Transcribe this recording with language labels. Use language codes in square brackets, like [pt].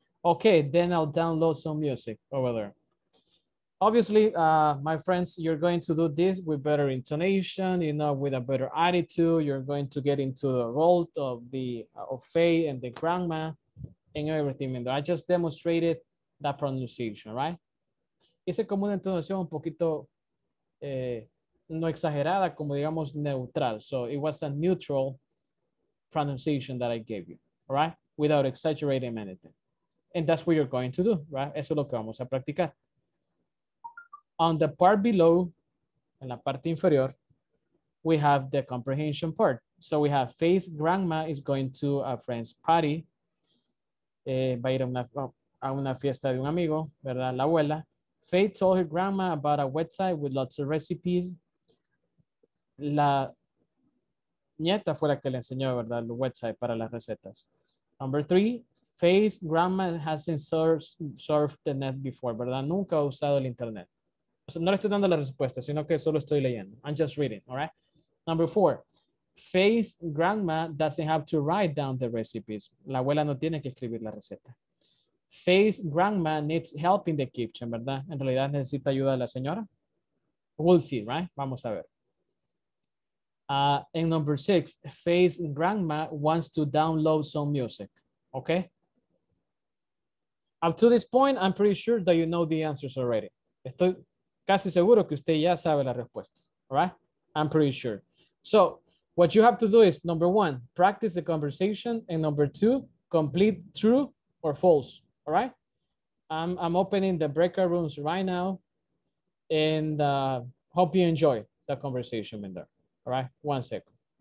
[en] Okay, then I'll download some music over there. Obviously, my friends, you're going to do this with better intonation, you know, with a better attitude. You're going to get into the role of the of Faye and the grandma and everything. And I just demonstrated that pronunciation, right? [es] Hice como una entonación un poquito no exagerada, como digamos neutral. [en] So it was a neutral pronunciation that I gave you, right? Without exaggerating anything. And that's what you're going to do, right? [es] Eso es lo que vamos a practicar. [en] On the part below, [es] en la parte inferior, [en] we have the comprehension part. So we have Faith's grandma is going to a friend's party. [es] Va a ir a una fiesta de un amigo, ¿verdad? La abuela. [en] Faith told her grandma about a website with lots of recipes. [es] La nieta fue la que le enseñó, ¿verdad? El website para las recetas. [en] Number three, Faith's grandma hasn't surfed the net before, [es] ¿verdad? Nunca ha usado el internet. O sea, no le estoy dando la respuesta, sino que solo estoy leyendo. [en] I'm just reading, all right? Number four, Faith's grandma doesn't have to write down the recipes. [es] La abuela no tiene que escribir la receta. [en] Faith's grandma needs help in the kitchen, [es] ¿verdad? En realidad necesita ayuda de la señora. [en] We'll see, right? [es] Vamos a ver. [en] And number six, Faith's grandma wants to download some music, okay? Up to this point, I'm pretty sure that you know the answers already. [es] Estoy casi seguro que usted ya sabe las respuestas, [en] all right? I'm pretty sure. So, what you have to do is, number one, practice the conversation, and number two, complete true or false, all right? I'm opening the breakout rooms right now, and hope you enjoy the conversation in there, all right? One second.